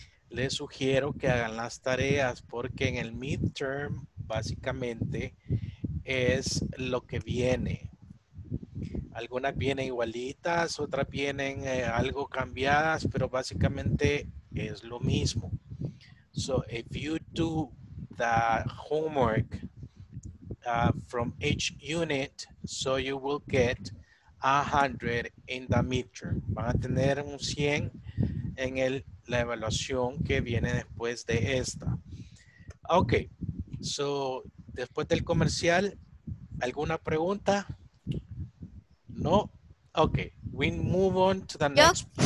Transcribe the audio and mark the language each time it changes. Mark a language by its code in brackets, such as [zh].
[es] Les sugiero que hagan las tareas porque en el midterm básicamente es lo que viene. Algunas vienen igualitas, otras vienen algo cambiadas, pero básicamente es lo mismo. [en] So if you do the homework from each unit, so you will get 100 in the midterm. [es] Van a tener un 100 en el la evaluación que viene después de esta. Ok, so después del comercial, ¿alguna pregunta? No. [en] Ok, we move on to the next.